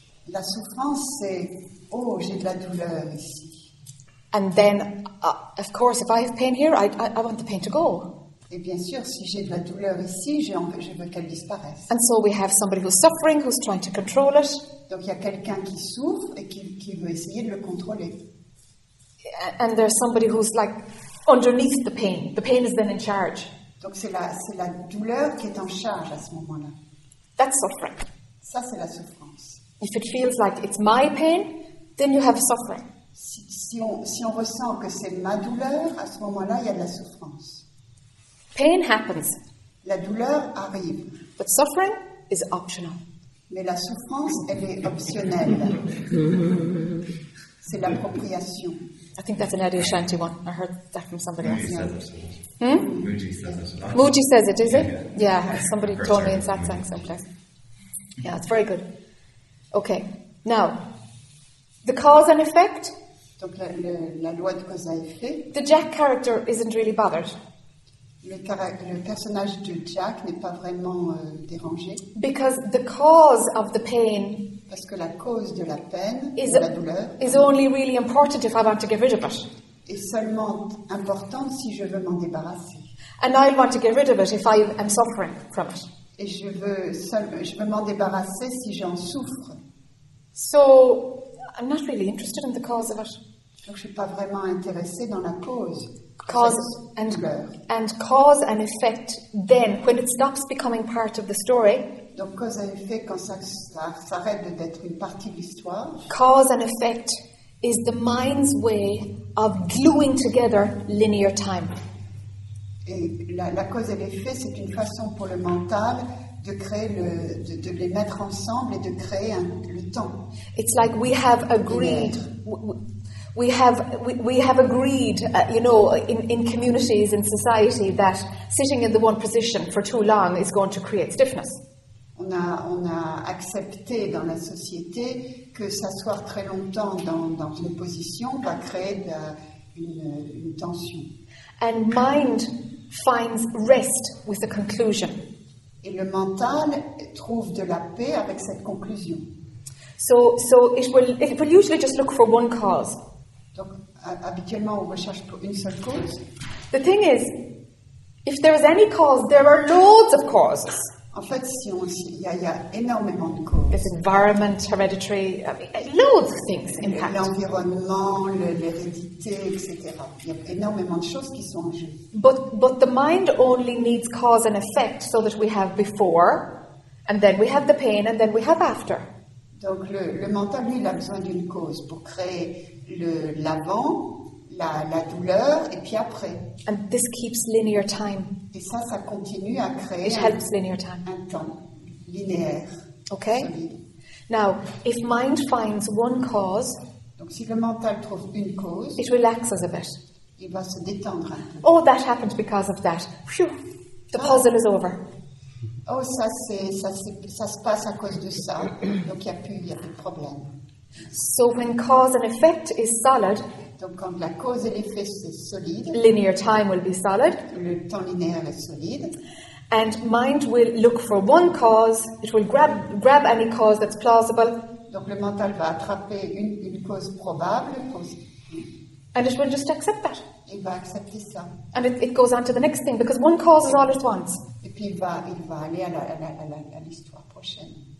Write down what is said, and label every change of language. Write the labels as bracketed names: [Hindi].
[French] La souffrance, c'est oh, j'ai de la douleur ici. [English] And then, of course, if I have pain here, I want the pain to go. [French] Et bien sûr, si j'ai de la douleur ici, je veux qu'elle disparaisse. [English] And so we have somebody who's suffering, who's trying to control it. [French] Donc il y a quelqu'un qui souffre et qui veut essayer de le contrôler. [English] And there's somebody who's like underneath the pain. The pain is then in charge. [French] Donc c'est la douleur qui est en charge à ce moment-là. [English] That's suffering. [French] Ça, c'est la souffrance. [English] If it feels like it's my pain, then you have suffering. [French] Si on ressent que c'est ma douleur, à ce moment-là, il y a de la souffrance. [English] Pain happens. [French] La douleur arrive. [English] But suffering is optional. [French] Mais la souffrance, elle est optionnelle. C'est l'appropriation. [English] I think that's an Adyashanti one. I heard that from somebody else. Yeah. Muji says it, is it? Yeah, somebody told me in satsang someplace. Yeah, it's very good. Okay, now, the cause and effect. [French] Donc la loi de cause à effet. [English] The Jack character isn't really bothered. [French] Le personnage de Jack n'est pas vraiment dérangé. [English] Because the cause of the pain. [French] Parce que la cause de la peine, la douleur. [English] Is only really important if I want to get rid of it. [French] Est seulement importante si je veux m'en débarrasser. [English] And I want to get rid of it if I am suffering from it. [French] Et je veux m'en débarrasser si j'en souffre. [English] So, I'm not really interested in the cause of it. [French] Donc, je suis pas vraiment intéressée dans la cause. [English] Cause and [French] douleur. [English] And cause and effect. Then, when it stops becoming part of the story. [French] Donc, cause et effet quand ça s'arrête d'être une partie de l'histoire. [English] Cause and effect is the mind's way of gluing together linear time. [French] Et la cause et l'effet, c'est une façon pour le mental de créer de les mettre ensemble et de créer le temps. [English] It's like we have agreed. We have agreed, in communities, in society, that sitting in the one position for too long is going to create stiffness. [French] On a accepté dans la société que s'asseoir très longtemps dans une position va créer une tension. [English] And mind finds rest with the conclusion. [French] Et le mental trouve de la paix avec cette conclusion. [English] So it will usually just look for one cause. [French] Donc, habituellement, on recherche pour une seule cause. [English] The thing is, if there is any cause, there are loads of causes. [French] En fait, il y a énormément de causes. [English] There's environment, hereditary, loads of things impact. [French] L'environnement, l'hérédité, etc. Il y a énormément de choses qui sont en jeu. [English] But the mind only needs cause and effect so that we have before, and then we have the pain, and then we have after. [French] Donc le mental, lui, il a besoin d'une cause pour créer l'avant, la douleur, et puis après. [English] And this keeps linear time. [French] Et ça continue à créer un temps linéaire. [English] Okay. Solide. Now, if mind finds one cause, [French] donc si le mental trouve une cause, [English] it relaxes a bit. [French] Il va se détendre un peu. [English] Oh, that happened because of that. Phew, the puzzle is over. [French] Oh, ça se passe à cause de ça. Donc il y a plus de problème. [English] So when cause and effect is solid. [French] Donc quand la cause et l'effet sont solides, [English] linear time will be solid. [French] Le temps linéaire est solide. [English] And mind will look for one cause. It will grab any cause that's plausible. [French] Donc le mental va attraper une cause probable. [English] And it will just accept that. [French] Il va accepter ça. [English] And it goes on to the next thing because one cause is all it wants. [French] Et puis il va aller à l'histoire prochaine.